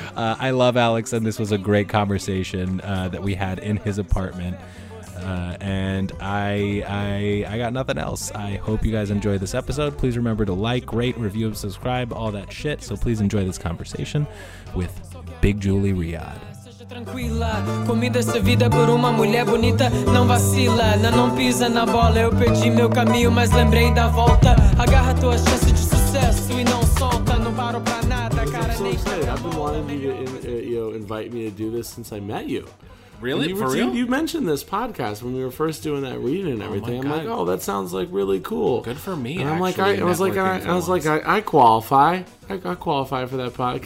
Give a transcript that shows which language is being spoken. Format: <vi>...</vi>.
<en>I love Alex, and this was a great conversation that we had in his apartment. And I got nothing else. I hope you guys enjoy this episode. Please remember to like, rate, review, subscribe, all that shit. So please enjoy this conversation with Big Julie Riad.</en> <pt>Tranquila, comida servida por uma mulher bonita. Não vacila, não pisa na bola. Eu perdi meu caminho, mas lembrei da volta. Agarra tua chance de sucesso e não solta. Não paro pra nada, cara.</pt> <en>I've been wanting you invite me to do this since I met you. Really? For real? You mentioned this podcast when we were first doing that reading and everything. I'm like, oh, that sounds like really cool. Good for me. And I'm like, I qualify for that podcast.</en>